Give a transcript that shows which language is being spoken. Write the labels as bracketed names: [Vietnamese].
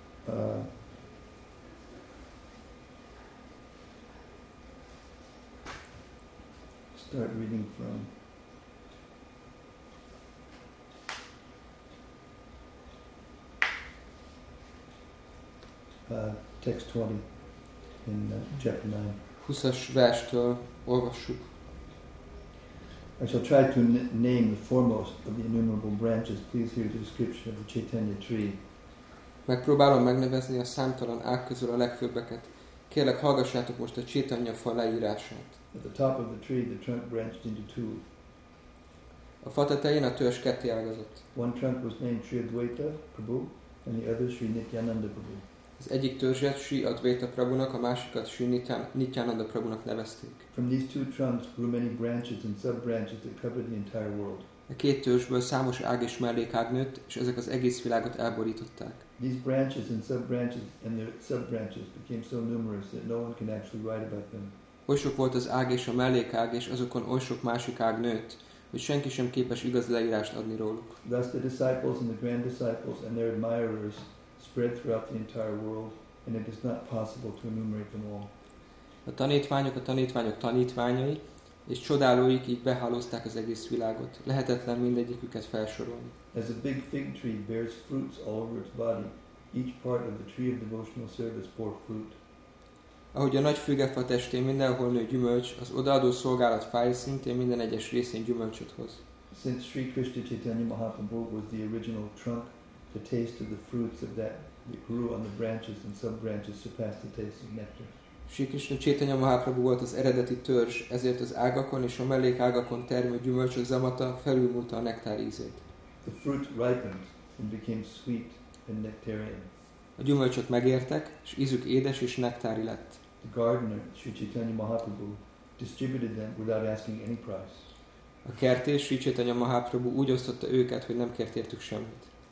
[English] Start reading from text 20 in chapter 9. [Hungarian] 20-as verstől olvassuk. [English] I shall try to name the foremost of the innumerable branches. Please hear the description of the Chaitanya tree. [Hungarian] Megpróbálom megnevezni a számtalan ág közül a legfőbbeket. Kérlek, hallgassátok most a Chaitanya fa leírását. [English] At the top of the tree, the trunk branched into two. [Hungarian] A fa tetején a törzs ketté ágazott. [English] One trunk was named Sri Advaita Prabhu, and the other Sri Nityananda Prabhu. [Hungarian] Az egyik törzset Sri Advaita Prabhunak, a másikat Sri Nityananda Prabhunak nevezték. [English] From these two trunks grew many branches and sub-branches that covered the entire world. [Hungarian] A két törzsből számos ág és mellékág nőtt, és ezek az egész világot elborították. [English] These branches and sub-branches and their sub-branches became so numerous that no one can actually write about them. [Hungarian] Oly sok volt az ág és a mellékág, és azokon oly sok másik ág nőtt, hogy senki sem képes igaz leírást adni róluk. [English] Thus the disciples and the grand disciples and their admirers spread throughout the entire world, and it is not possible to enumerate them all. [Hungarian] A tanítványok, a tanítványok tanítványai, és csodálóik így behálózták az egész világot. Lehetetlen mindegyiküket felsorolni. [English] As a big fig tree bears fruits all over its body, each part of the tree of devotional service bore fruit. [Hungarian] Ahogy a nagy fügefa testén mindenhol nő gyümölcs, az odaadó szolgálat fáj szintén minden egyes részén gyümölcsöt hoz. [English] Since Sri Krishna Chaitanya Mahaprabhu was the original trunk, the taste of the fruits of that that grew on the branches and sub-branches surpassed the taste of nectar. [Hungarian] Sri Krishna Chaitanya Mahaprabhu volt az eredeti törzs, ezért az ágakon és a mellékágakon termő gyümölcsök zamata felülmúlta a nektár ízét. [English] The fruit ripened and became sweet and nectarian. [Hungarian] A gyümölcsök megértek, és ízük édes és nektári lett. [English] The gardener, Sri Chaitanya Mahaprabhu, distributed them without asking any price. [Hungarian] A kertész, Sri Chaitanya Mahaprabhu úgy osztotta őket, hogy nem kért értük semmit.